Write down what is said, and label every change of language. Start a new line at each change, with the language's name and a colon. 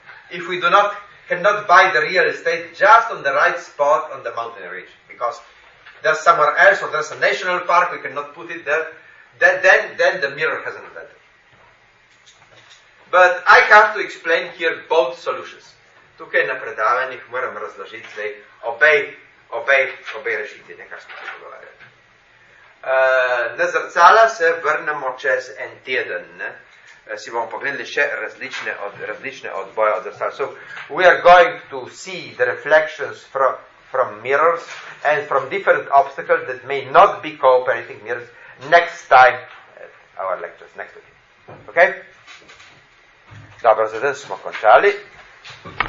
English: If we cannot buy the real estate just on the right spot on the mountain ridge, because there's somewhere else or there's a national park, we cannot put it there, then the mirror has an advantage. But I have to explain here both solutions.
Slovenian: Tukaj na predavanjih moram razložiti zdaj obej rešiti, nekaj smo se pogovarjali. Na zrcala se vrnemo čez en teden. Ne? Si bomo pogledali še različne odboje od zrcala.
English: So, we are going to see the reflections from mirrors and from different obstacles that may not be cooperating mirrors next time at our lectures, next week. Okay?
Slovenian: Dobro, zdaj smo končali.